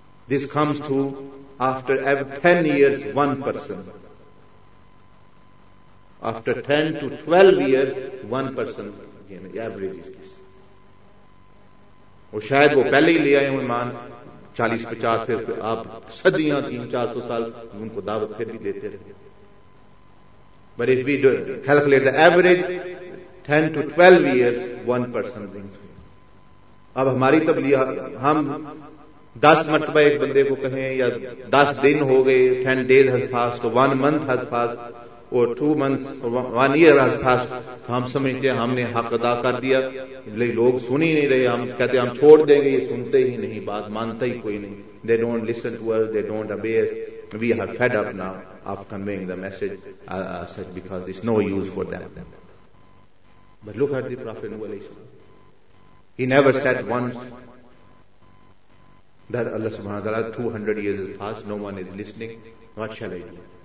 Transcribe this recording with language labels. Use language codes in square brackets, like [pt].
[en] This comes to after 10 years 1 person, after 10 to 12 years 1 person average. [ur] وہ شاید وہ پہلے ہی لے آئے ہوں ایمان 40-50، پھر آپ صدیاں 300-400 سال ان کو دعوت پھر بھی دیتے رہے. [en] But if we do calculate the average, 10 to 12 years, one person brings. [ur] اب ہماری تبلیغ، ہم 10 مرتبہ ایک بندے کو کہیں یا 10 دن ہو گئے، [en] 10 days has passed, [ur] 1 month has passed, or 2 months, 1 year has passed, تو ہم سمجھتے ہیں ہم نے حق ادا کر دیا، لوگ سن ہی نہیں رہے، ہم کہتے ہیں ہم چھوڑ دیں گے، یہ سنتے ہی نہیں، بات مانتا ہی کوئی نہیں. [en] They don't listen to us, they don't obey. We are fed up now of conveying the message such because there's no use for them. But look at the Prophet Nuh alayhi salam. He never said once that Allah subhanahu wa ta'ala, 200 years has passed, no one is listening, what shall I do?